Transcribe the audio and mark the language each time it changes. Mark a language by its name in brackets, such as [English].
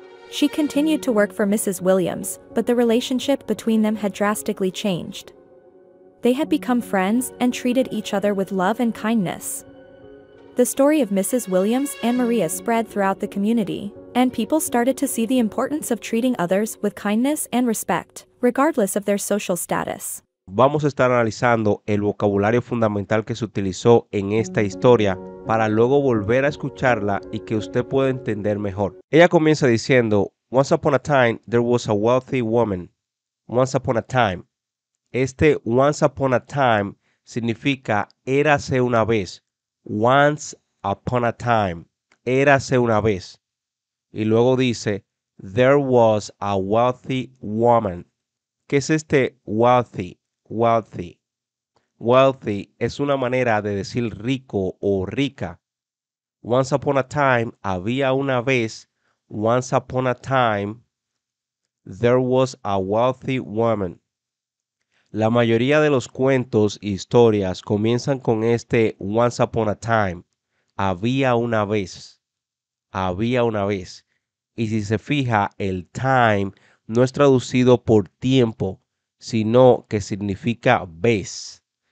[English] She continued to work for Mrs. Williams, but the relationship between them had drastically changed. They had become friends and treated each other with love and kindness. The story of Mrs. Williams and Maria spread throughout the community, and people started to see the importance of treating others with kindness and respect, regardless of their social status. [Spanish] Vamos a estar analizando el vocabulario fundamental que se utilizó en esta historia para luego volver a escucharla y que usted pueda entender mejor. Ella comienza diciendo, [English] "Once upon a time, there was a wealthy woman." Once upon a time. Este once upon a time [Spanish] significa érase una vez. [English] Once upon a time, [Spanish] érase una vez. Y luego dice, [English] there was a wealthy woman. [Spanish] ¿Qué es este wealthy? Wealthy. Wealthy es una manera de decir rico o rica. [English] Once upon a time, [Spanish] había una vez. [English] Once upon a time, there was a wealthy woman. [Spanish] La mayoría de los cuentos e historias comienzan con este [English] once upon a time. [Spanish] Había una vez. Había una vez. Y si se fija, el time no es traducido por tiempo, sino que significa vez.